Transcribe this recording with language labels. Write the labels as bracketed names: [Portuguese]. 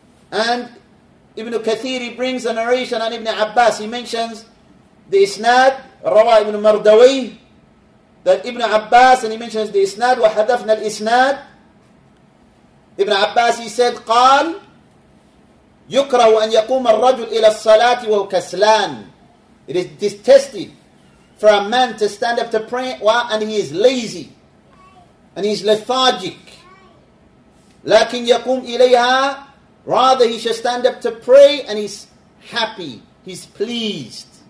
[English] And Ibn Kathir, he brings a narration on Ibn Abbas. He mentions the isnad, Rawa Ibn Mardawi, that Ibn Abbas, and he mentions the isnad, [Arabic] وَحَذَفْنَا الْإِسْنَادِ. Ibn Abbas, [English] he said, [Arabic] قال يكره أن يقوم الرجل إلى الصلاة وهو كسلان. [English] It is detested for a man to stand up to pray and he is lazy and he is lethargic. [Arabic] لكن يقوم إليها. [English] Rather, he shall stand up to pray and he's happy, he's pleased.